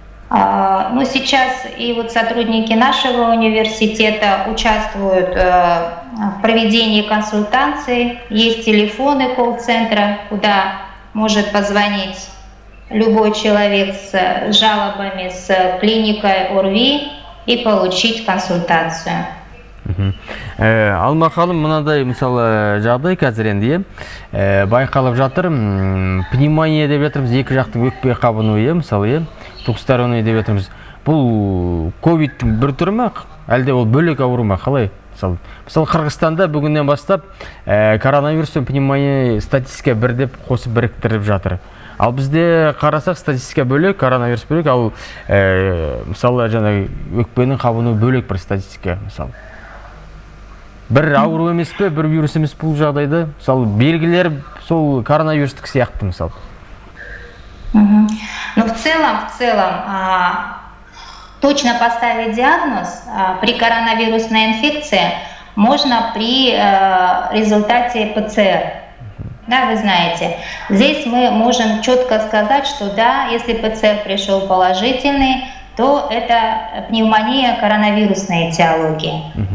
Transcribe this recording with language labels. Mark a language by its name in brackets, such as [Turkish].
[Russian] Ну, сейчас и вот сотрудники нашего университета участвуют в проведении консультаций. Есть телефоны колл-центра, куда может позвонить любой человек с жалобами с клиникой ОРВИ и получить консультацию. [Kazakh] Алма ханым, мынадай мысалы жағдай қазір енді байқалып жатыр. Пневмония деп жатырмыз, екі жақтың өкпе қабынуы, мысалы, туксторония деп жатырмыз. Бұл ковидтің бір түрі ма, әлде ол бөлек ауру ма, қалай? Мысалы, Қырғызстанда бүгіннен бастап коронавирус пен пневмония статистика бір деп қосып біріктіріп жатыр. Ал бізде қарасақ статистика бөлек, коронавирус бөлек, ал мысалы жаңағы өкпенің қабынуы бөлек бір статистика, мысалы. Бір ауру емес пе, бір вирус емес бұл жағдайды? Мысалы, белгілер сол коронавирустық сияқты мысалы. [Russian] Ну, в целом, точно поставить диагноз при коронавирусной инфекции можно при результате ПЦР. Да, вы знаете. Здесь мы можем четко сказать, что да, если ПЦР пришел положительный, то это пневмония коронавирусной этиологии.